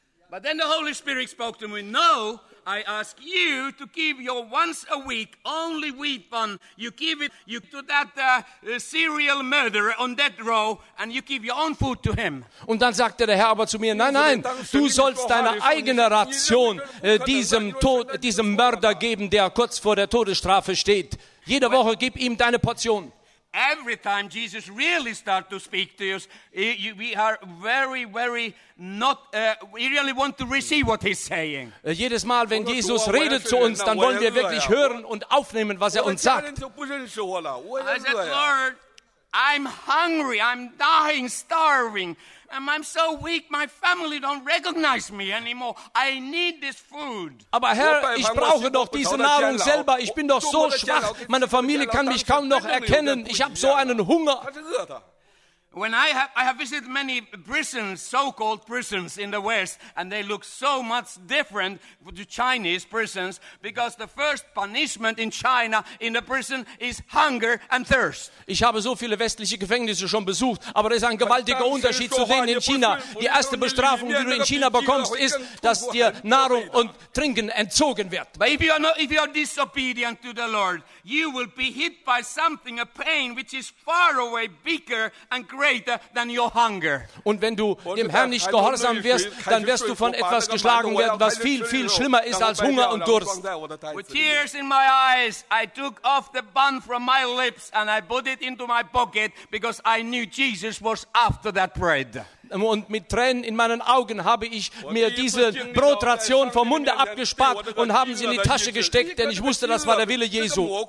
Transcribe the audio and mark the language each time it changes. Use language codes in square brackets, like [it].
[en] But then the Holy Spirit spoke to me, no, I ask you to give your once a week only wheat bun. You give it to that serial murderer on that row and you give your own food to him. [de] Und dann sagte der Herr aber zu mir, nein, nein, du sollst deine eigene Ration diesem Mörder geben, der kurz vor der Todesstrafe steht. Jede Woche gib ihm deine Portion. [en] Every time Jesus really starts to speak to us, we are very, very not, we really want to receive what he's saying. [de] Jedes Mal, wenn Jesus redet zu uns, dann wollen wir wirklich hören und aufnehmen, was er uns sagt. [en] I said, Lord, I'm hungry, I'm dying, starving. I'm so weak, my family don't recognize me anymore. I need this food. [de] Aber Herr, ich brauche doch diese Nahrung selber. Ich bin doch so schwach. Meine Familie kann mich kaum noch erkennen. Ich habe so einen Hunger. [en] When I have visited many prisons, so-called prisons in the West, and they look so much different to Chinese prisons, because the first punishment in China in the prison is hunger and thirst. [de] Ich habe so viele westliche Gefängnisse schon besucht, aber das ist ein gewaltiger Unterschied zu denen in China. Die erste Bestrafung, die du in China bekommst, ist, dass dir Nahrung und Trinken entzogen wird. [en] But if you are disobedient to the Lord, you will be hit by something, a pain which is far away bigger and greater than your hunger. [de] Und wenn du dem Herrn nicht gehorsam wirst, dann wirst du von etwas geschlagen werden, was viel, viel schlimmer ist als Hunger und Durst. [en] With tears in my eyes, I took off the bun from my lips and I put it into my pocket because I knew Jesus was after that bread. [de] Und mit Tränen in meinen Augen habe ich mir diese Brotration vom Munde abgespart und haben sie in die Tasche gesteckt, denn ich wusste, das war der Wille Jesu.